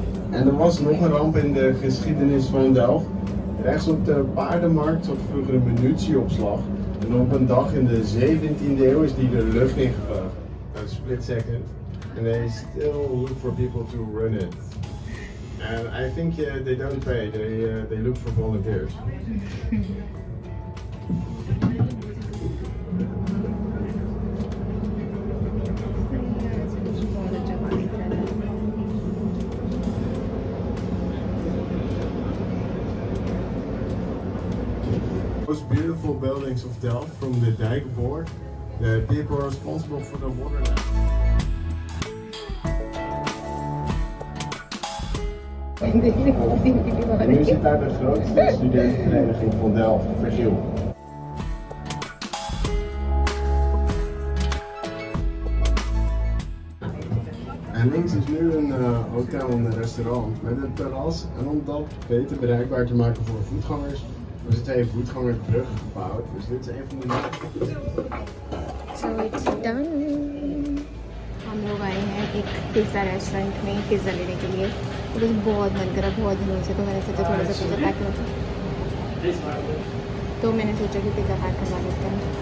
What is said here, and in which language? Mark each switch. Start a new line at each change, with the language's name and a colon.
Dutch: En er was nog een ramp in de geschiedenis van Delft. Rechts op de paardenmarkt zat vroeger een munitieopslag. En op een dag in de 17e eeuw is die de lucht ingevlogen.
English: Een split second. And they still look for people to run it. And I think they don't pay, they look for volunteers. Most beautiful buildings of Delft from the Dijk Board, the people responsible for the water.
Dutch: Nu is het daar de grootste studentenvereniging van Delft, Vergiel. En links is nu een hotel en een restaurant met een terras. En om dat beter bereikbaar te maken voor voetgangers, we zitten even voetgangersbrug gebouwd. Dus dit is een van de.
English: So it's done.
Hindi: हम लोग आए हैं एक pizza restaurant में pizza लेने के लिए. तो बस बहुत मन करा, बहुत दिनों से, तो मैंने सोचा थोड़ा सा पिज़्ज़ा पैक करूँ, तो मैंने सोचा कि पिज़्ज़ा पैक करवा लेते हैं.